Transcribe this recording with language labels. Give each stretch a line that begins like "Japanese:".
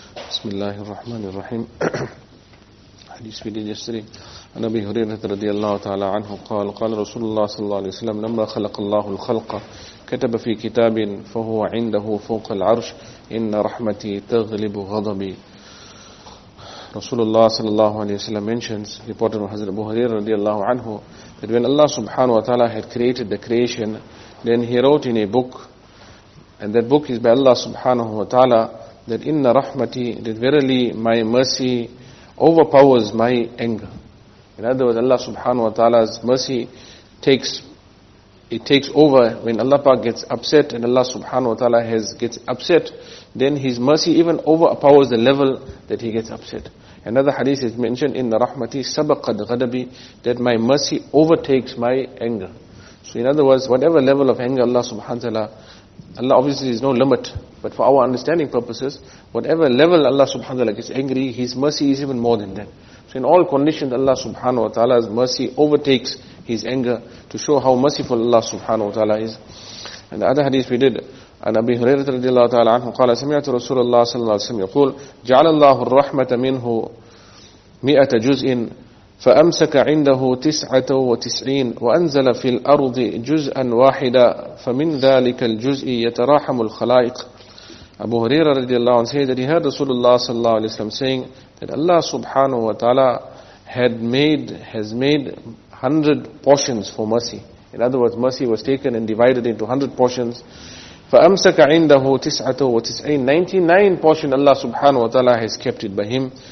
Arabic: بسم الله الرحمن الرحيم. حديث في ديني السري عن أبي هريرة رضي الله تعالى عنه قال قال رسول الله صلى الله عليه وسلم لما خلق الله الخلق كتب في كتاب فهو عنده فوق العرش إن رحمتي تغلب غضبي.
English: رسول الله صلى الله عليه وسلم mentions, reported from Hazrat Abu Hurairah رضي الله عنه, that when Allah subhanahu wa ta'ala had created the creation, then he wrote in a book, and that book is by Allah subhanahu wa ta'ala, that inna rahmati, that verily my mercy overpowers my anger. In other words, Allah subhanahu wa ta'ala's mercy takes over. When Allah Pak gets upset and Allah subhanahu wa ta'ala gets upset, then his mercy even overpowers the level that he gets upset. Another hadith is mentioned,
Arabic: inna rahmati sabaqad ghadabi,
English: that my mercy overtakes my anger. So in other words, whatever level of anger Allah subhanahu wa ta'ala, Allah obviously is no limit, but for our understanding purposes, whatever level Allah subhanahu wa ta'ala gets angry, his mercy is even more than that. So in all conditions, Allah subhanahu wa ta'ala's mercy overtakes his anger, to show how merciful Allah subhanahu wa ta'ala is. And the other hadith we did,
Arabic: and Abi Hurairah radiallahu ta'ala anhu, قال سمعت رسول الله صلى الله عليه وسلم يقول جعل الله الرحمة منه مئة جزء فأمسك عنده تسعة وتسعين وأنزل في الأرض جزءا واحدا فمن ذلك الجزء يتراحم الخلائق.
English: Abu Hurairah radiallahu anhu said that he heard Rasulullah sallallahu alayhi wa sallam saying that Allah subhanahu wa ta'ala has made 100 portions for mercy. In other words, mercy was taken and divided into 100 portions.
Arabic: فَأَمْسَكَ عِنْدَهُ تِسْعَةُ وَتِسْعِينَ
English: 99 portion Allah subhanahu wa ta'ala has kept it by him.